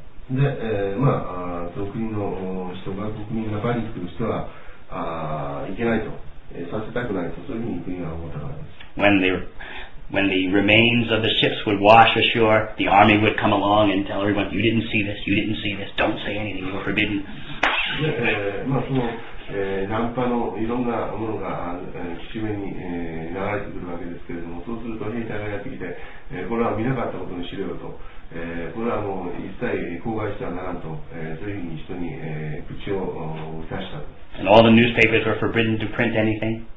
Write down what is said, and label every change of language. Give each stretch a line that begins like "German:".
Japanese: で、まあ、その国の人が、国民がパニックとしては、いけないと、させたくないと、そういうふうに国が思ったからです。
English: When the remains of the ships would wash ashore, the army would come along and tell everyone, you didn't see this, you didn't see this, don't say anything, you're forbidden.
Japanese: で、まあ、その、難破のいろんなものが、岸辺に、流れてくるわけですけれども、そうすると兵隊がやってきて、これは見なかったことにしろよと、これはもう一切口外してはならんと、そういうふうに人に、口を打たした。
English: And all the newspapers were forbidden to print anything?